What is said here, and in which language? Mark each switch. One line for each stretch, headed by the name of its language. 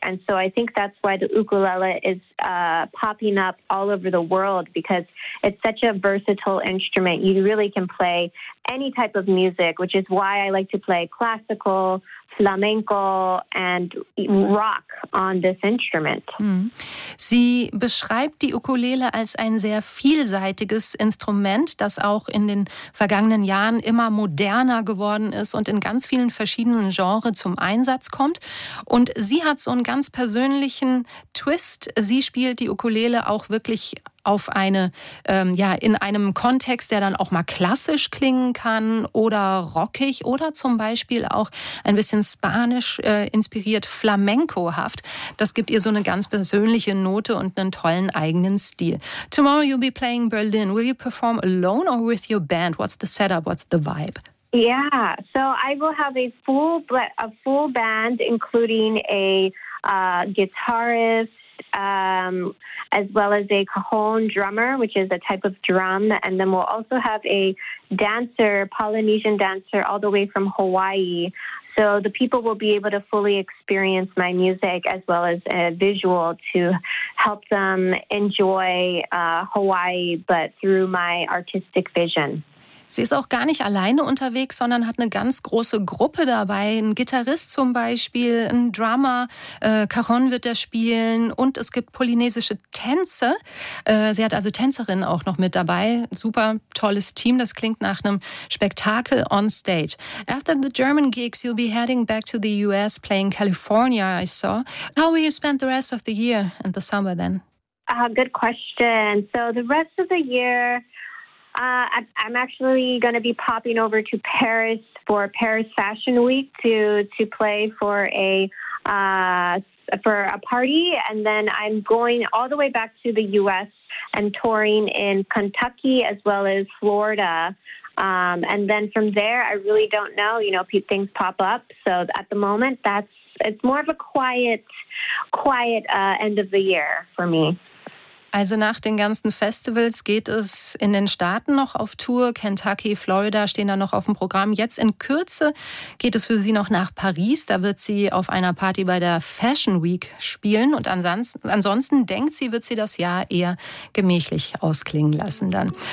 English: And so I think that's why the ukulele is popping up all over the world because it's such a versatile instrument. You really can play any type of music, which is why I like to play classical, flamenco and rock on this instrument.
German: Sie beschreibt die Ukulele als ein sehr vielseitiges Instrument, das auch in den vergangenen Jahren immer moderner geworden ist und in ganz vielen verschiedenen Genres zum Einsatz kommt. Und sie hat so einen ganz persönlichen Twist. Sie spielt die Ukulele auch wirklich auf eine, in einem Kontext, der dann auch mal klassisch klingen kann oder rockig oder zum Beispiel auch ein bisschen spanisch inspiriert, flamenco-haft. Das gibt ihr so eine ganz persönliche Note und einen tollen eigenen Stil.
English: Tomorrow you'll be playing Berlin. Will you perform alone or with your band? What's the setup? What's the vibe? Yeah, so I will have a full band, including a guitarist, as well as a cajon drummer, which is a type of drum. And then we'll also have a dancer, Polynesian dancer, all the way from Hawaii. So the people will be able to fully experience my music as well as a visual to help them enjoy Hawaii, but through my artistic vision.
German: Sie ist auch gar nicht alleine unterwegs, sondern hat eine ganz große Gruppe dabei. Ein Gitarrist zum Beispiel, ein Drummer, Cajon wird er spielen und es gibt polynesische Tänze. Sie hat also Tänzerinnen auch noch mit dabei. Super tolles Team, das klingt nach einem Spektakel
English: on stage. After the German gigs, you'll be heading back to the US playing California, I saw. How will you spend the rest of the year and the summer then? Good question. So the rest of the year, I'm actually going to be popping over to Paris for Paris Fashion Week to play for a party. And then I'm going all the way back to the U.S. and touring in Kentucky as well as Florida. And then from there, I really don't know, you know, things pop up. So at the moment, it's more of a quiet end of the year for me.
German: Also nach den ganzen Festivals geht es in den Staaten noch auf Tour. Kentucky, Florida stehen da noch auf dem Programm. Jetzt in Kürze geht es für sie noch nach Paris. Da wird sie auf einer Party bei der Fashion Week spielen. Und ansonsten denkt sie, wird sie das Jahr eher gemächlich ausklingen lassen dann.